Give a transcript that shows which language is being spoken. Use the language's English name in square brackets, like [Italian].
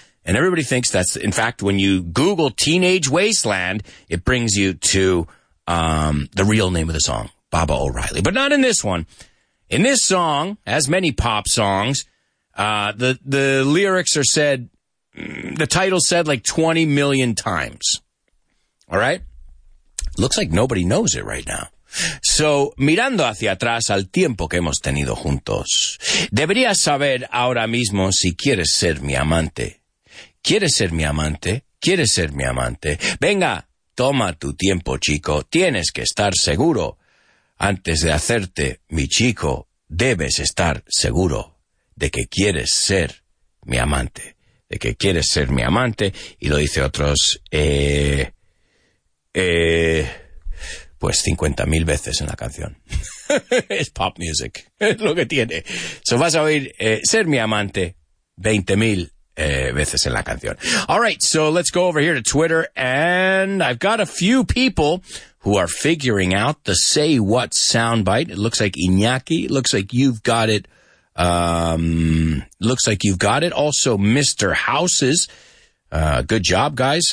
[English] And everybody thinks that's, in fact, when you Google Teenage Wasteland, it brings you to the real name of the song, Baba O'Reilly. But not in this one. In this song, as many pop songs, the lyrics are said, the title said like 20 million times. All right? Looks like nobody knows it right now. [Spanish] So, mirando hacia atrás al tiempo que hemos tenido juntos, deberías saber ahora mismo si quieres ser mi amante. ¿Quieres ser mi amante? ¿Quieres ser mi amante? Venga, toma tu tiempo, chico. Tienes que estar seguro. Antes de hacerte mi chico, debes estar seguro de que quieres ser mi amante. De que quieres ser mi amante. Y lo dice otros, pues 50,000 veces en la canción. Es pop music. Es lo que tiene. So vas a oír ser mi amante 20,000 veces en la canción. [English] All right, so let's go over here to Twitter. And I've got a few people who are figuring out the say what soundbite. It looks like Iñaki. Looks like you've got it. Looks like you've got it. Also, Mr. Houses. Good job, guys.